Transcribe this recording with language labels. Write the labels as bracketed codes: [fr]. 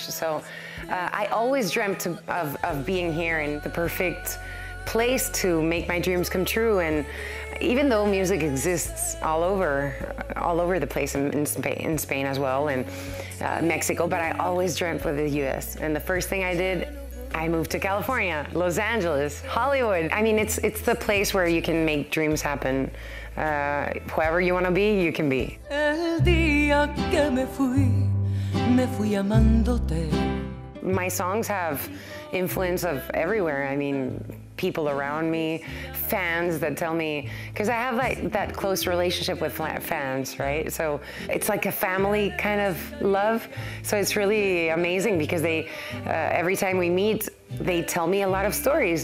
[en] So I always dreamt of being here in the perfect place to make my dreams come true, and even though music exists all over the place in Spain as well, and Mexico, but I always dreamt for the U.S. And the first thing I did, I moved to California, Los Angeles, Hollywood. I mean, it's the place where you can make dreams happen. Whoever you want to be, you can be. [es] El día que me fui amándote. [en] My songs have influence of everywhere. I mean, people around me, fans that tell me, because I have like that close relationship with fans, right? So it's like a family kind of love. So it's really amazing because they, every time we meet, they tell me a lot of stories.